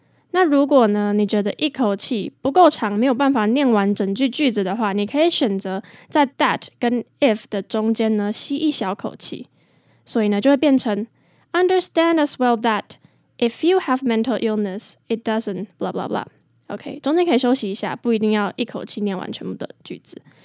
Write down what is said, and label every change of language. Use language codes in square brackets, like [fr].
[zh] 那如果呢你觉得一口气不够长没有办法念完整句句子的话你可以选择在 that 跟 if 的中间呢吸一小口气。所以呢就会变成 [en] Understand as well that if you have mental illness, it doesn't blah blah blah. [zh] OK, 中间可以休息一下不一定要一口气念完全部的句子。